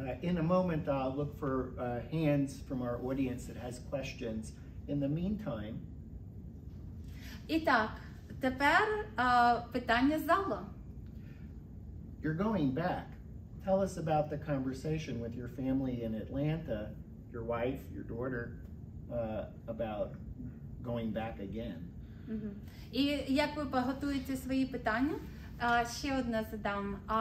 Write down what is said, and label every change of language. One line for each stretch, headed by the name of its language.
English: In a moment, I'll look for hands from our audience that has questions. In the meantime...
Ukrainian: І так, тепер питання з залу.
English: You're going back. Tell us about the conversation with your family in Atlanta, your wife, your daughter, about going back again.
Ukrainian: І як ви готуєте свої питання? Ще одне задам.